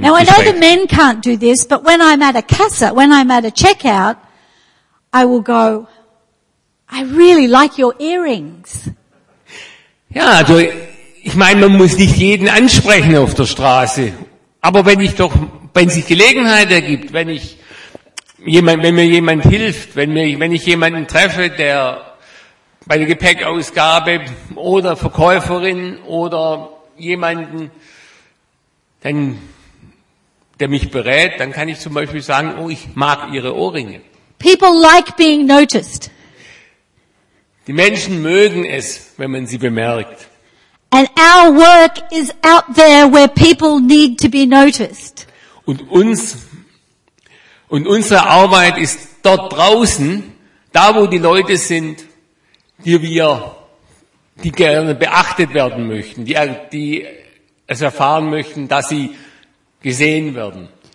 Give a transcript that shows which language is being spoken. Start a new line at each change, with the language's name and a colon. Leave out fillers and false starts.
English: now, I know the men can't do this, but when I'm at a kassa, when I'm at a checkout, I will go, I really like your earrings.
German: Ja, also, ich meine, man muss nicht jeden ansprechen auf der Straße. Aber wenn ich doch, wenn sich Gelegenheit ergibt, wenn ich jemand, wenn mir jemand hilft, wenn ich jemanden treffe, der bei der Gepäckausgabe oder Verkäuferin oder jemanden, dann, der mich berät, dann kann ich zum Beispiel sagen, oh, ich mag Ihre Ohrringe.
English: People like being noticed.
German: Die Menschen mögen es, wenn man sie bemerkt.
English: And our work is out there where people need to be noticed.
German: Und unsere Arbeit ist dort draußen, da wo die Leute sind, die gerne beachtet werden möchten, die es erfahren möchten, dass sie gesehen werden.